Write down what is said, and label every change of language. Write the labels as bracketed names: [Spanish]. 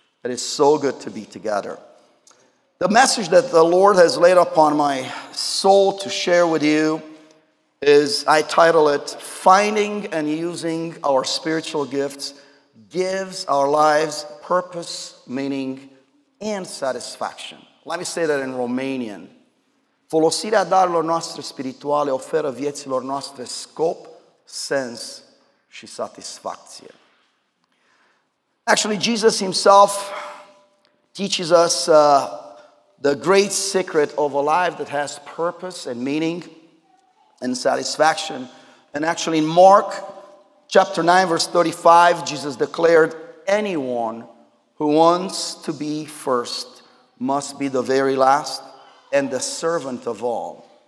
[English] It is so good to be together. The message that the Lord has laid upon my soul to share with you is, I title it, Finding and Using Our Spiritual Gifts Gives Our Lives Purpose, Meaning, and Satisfaction. Let me say that in Romanian. [Romanian] Folosirea darurilor noastre spirituale oferă vieților noastre scop, sens, și satisfacție. [English] Actually, Jesus himself teaches us the great secret of a life that has purpose and meaning and satisfaction. And actually, in Mark chapter 9, verse 35, Jesus declared, anyone who wants to be first must be the very last and the servant of all.